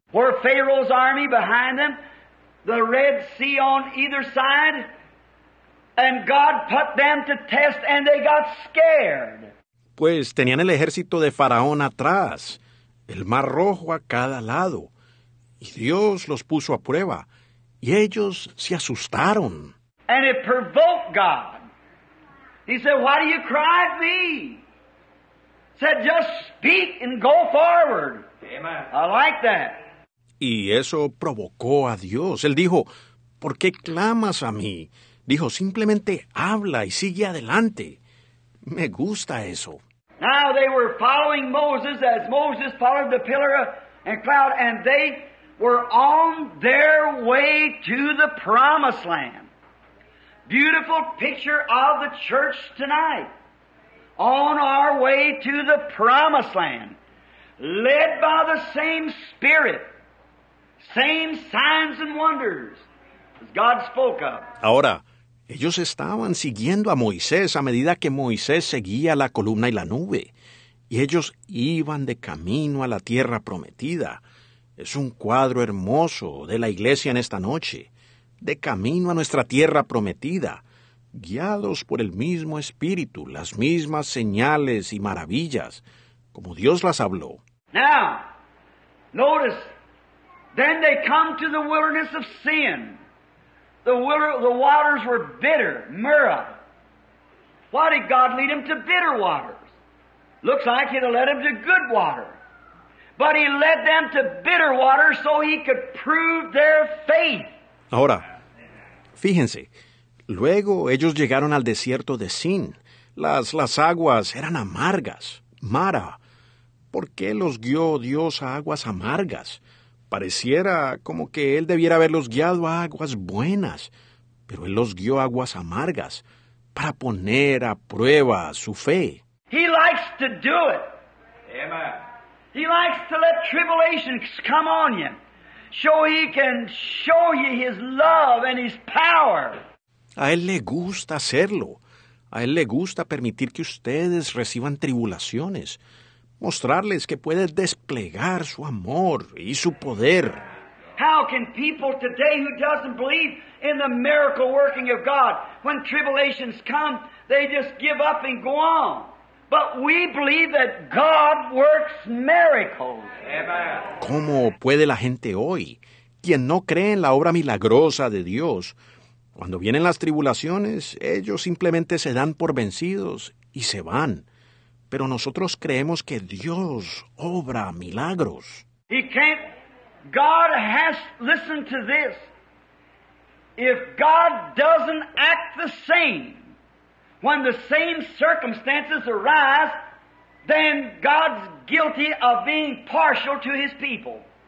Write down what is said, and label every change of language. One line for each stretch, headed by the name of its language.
English: Were Pharaoh's army behind them, the Red Sea on either side, and God put them to test and they got scared.
Spanish: Pues tenían el ejército de Faraón atrás, el Mar Rojo a cada lado, y Dios los puso a prueba, y ellos se asustaron.
English: And it provoked God. He said, why do you cry at me? Said, just speak and go forward. Amen. I like that.
Spanish: Y eso provocó a Dios. Él dijo, ¿por qué clamas a mí? Dijo, simplemente habla y sigue adelante. Me gusta eso.
English: Now they were following Moses as Moses followed the pillar and cloud, and they were on their way to the promised land. Beautiful picture of the church tonight. On our way to the promised land. Led by the same Spirit. Same signs and wonders as God spoke of.
Spanish: Ahora, ellos estaban siguiendo a Moisés a medida que Moisés seguía la columna y la nube. Y ellos iban de camino a la tierra prometida. Es un cuadro hermoso de la iglesia en esta noche. De camino a nuestra tierra prometida. Guiados por el mismo Espíritu, las mismas señales y maravillas, como Dios las habló.
English: Now, notice, then they come to the wilderness of sin. The waters were bitter, myrrh. Why did God lead them to bitter waters? Looks like He'd have led them to good water. But He led them to bitter water so He could prove their faith.
Spanish: Ahora, fíjense. Luego ellos llegaron al desierto de Sin. Las aguas eran amargas, mara. ¿Por qué los guió Dios a aguas amargas? Pareciera como que Él debiera haberlos guiado a aguas buenas, pero Él los guió a aguas amargas para poner a prueba su fe.
English: He likes to do it. Amen. He likes to let tribulations come on you, so He can show you His love and His power.
Spanish: A Él le gusta hacerlo. A Él le gusta permitir que ustedes reciban tribulaciones. Mostrarles que puede desplegar su amor y su poder.
English: How can people today who doesn't believe in the miracle working of God, when tribulations come, they just give up and go on? But we believe that God works miracles. Amen.
Spanish: ¿Cómo puede la gente hoy, quien no cree en la obra milagrosa de Dios, cuando vienen las tribulaciones, ellos simplemente se dan por vencidos y se van? Pero nosotros creemos que Dios obra milagros.
English: He can't. God has. Listen to this. If God doesn't act the same when the same circumstances arise, then God's guilty of being partial to His people.